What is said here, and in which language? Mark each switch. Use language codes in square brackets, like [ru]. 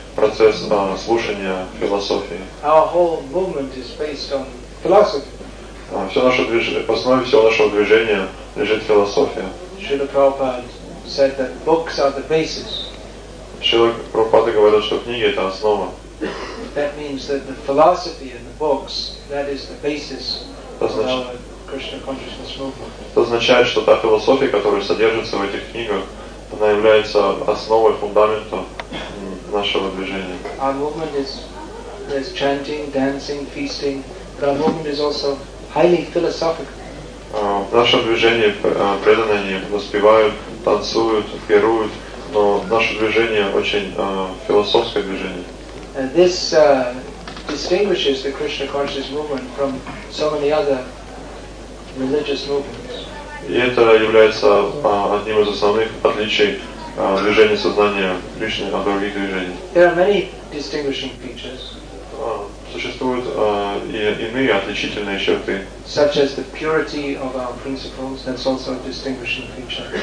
[ru] Процесс слушания философии. [en] Our whole movement is based on philosophy. [ru] Все нашего движения лежит философия. [en] Srila Prabhupada said that books are the basis. [ru] Srila Prabhupada говорит, что книги это основа. [en] That means that the philosophy and the books, that is the basis of our Krishna consciousness movement. [ru] Это означает, что та философия, которая содержится в этих книгах, она является основой, фундаментом нашего движения. [en] Our movement is there's chanting, dancing, feasting, but our movement is also highly philosophical. [ru] Наше движение преданное, они воспевают, танцуют, пируют, но наше движение очень философское движение. [en] This distinguishes the Krishna conscious movement from so many other religious movements. [ru] И это является одним из основных отличий движение сознания Кришны от других движений. [en] There are many distinguishing features. [ru] Существуют и иные отличительные черты. [en] Such as the purity of our principles, that's also a distinguishing feature.